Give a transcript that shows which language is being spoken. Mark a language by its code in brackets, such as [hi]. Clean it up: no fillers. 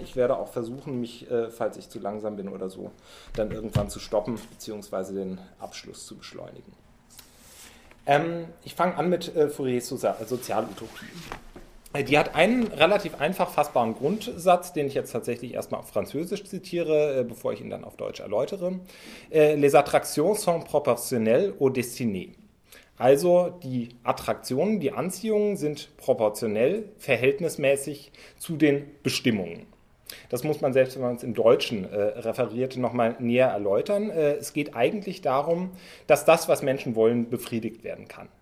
[de] Ich werde auch versuchen, mich, falls ich zu langsam bin oder so, dann irgendwann zu stoppen bzw. den Abschluss zu beschleunigen. Ich fange an mit Fouriers Sozialutopie. Die hat einen relativ einfach fassbaren Grundsatz, den ich jetzt tatsächlich erstmal auf Französisch zitiere, bevor ich ihn dann auf Deutsch erläutere. [fr] Les attractions sont proportionnelles au destiné. [de] Also die Attraktionen, die Anziehungen sind proportionell, verhältnismäßig zu den Bestimmungen. Das muss man selbst, wenn man es im Deutschen referiert, nochmal näher erläutern. Es geht eigentlich darum, dass das, was Menschen wollen, befriedigt werden kann.